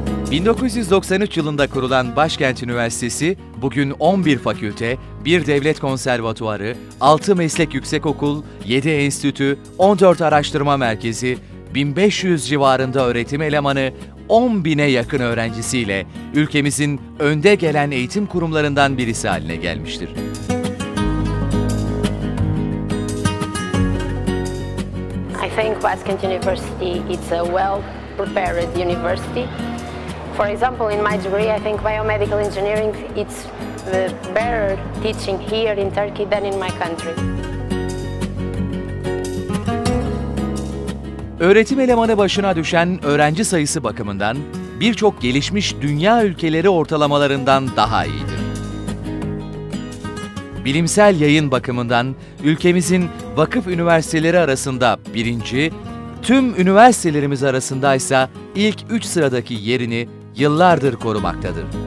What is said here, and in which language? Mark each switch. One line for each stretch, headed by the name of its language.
Turkish: ...1993 yılında kurulan Başkent Üniversitesi, bugün 11 fakülte, 1 devlet konservatuarı, 6 meslek yüksekokul, 7 enstitü, 14 araştırma merkezi, 1500 civarında öğretim elemanı, 10 bine yakın öğrencisiyle ülkemizin önde gelen eğitim kurumlarından birisi haline gelmiştir.
English: I think Başkent University is a well-prepared university. For example, in my degree, I think biomedical engineering, it's the better teaching here in Turkey than in my country.
Turkish: Öğretim elemanı başına düşen öğrenci sayısı bakımından birçok gelişmiş dünya ülkeleri ortalamalarından daha iyidir. Bilimsel yayın bakımından ülkemizin vakıf üniversiteleri arasında birinci, tüm üniversitelerimiz arasındaysa ilk 3 sıradaki yerini yıllardır korumaktadır.